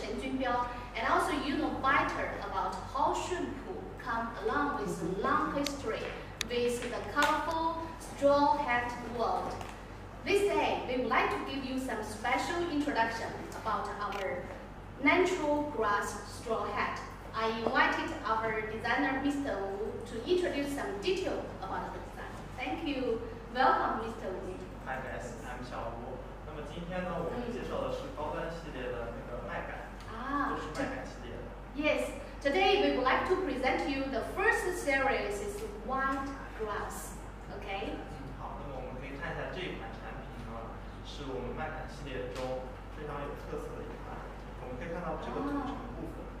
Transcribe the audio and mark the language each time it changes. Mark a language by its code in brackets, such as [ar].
[en] Chen Junbiao, and also you know better about how Shunpu come along with long history with the colorful straw hat world. This day, we would like to give you some special introduction about our natural grass straw hat. I invited our designer, Mr. Wu, to introduce some detail about the design. Thank you. Welcome, Mr. Wu. Hi, guys. I'm Xiao Wu. [zh] 那么今天呢，我们介绍的是高端系列的那个麦杆，就是麦杆系列的。 [en] Yes. Today, we would like to present you the first series is white grass. Okay. [zh] 好，那么我们可以看一下这一款。是我们麦坎系列中非常有特色的一款。我们可以看到这个组成部分。